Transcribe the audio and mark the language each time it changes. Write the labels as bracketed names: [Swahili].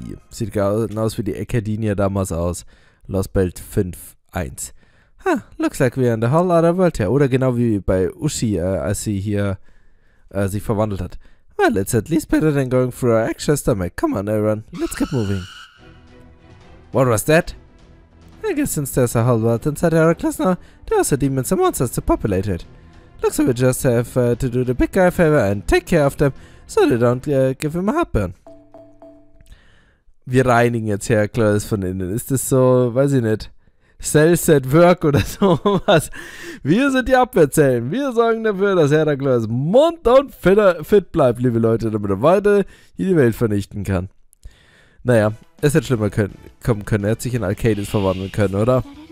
[German] Sieht genau aus wie die Akademie damals aus. Lostbelt 5.1. [English] Huh, looks like we're in the whole other world here. [German] Oder genau wie bei Uschi, als sie hier sich verwandelt hat. [English] Well, it's at least better than going through our extra stomach. Come on, everyone, let's get moving. What was that? I guess since there's a whole world inside Heracles now, there are also demons and monsters to populate it. Looks like we just have to do the big guy a favor and take care of them, so they don't give him a heartburn. [German] Wir reinigen jetzt Heracles von innen. Ist das so, weiß ich nicht, Cells at work oder sowas? Wir sind die Abwehrzellen. Wir sorgen dafür, dass Heracles mundtot fit bleibt, liebe Leute, damit er weiter hier die Welt vernichten kann. Naja, es hätte schlimmer kommen können. Er hätte sich in Arcades verwandeln können, oder?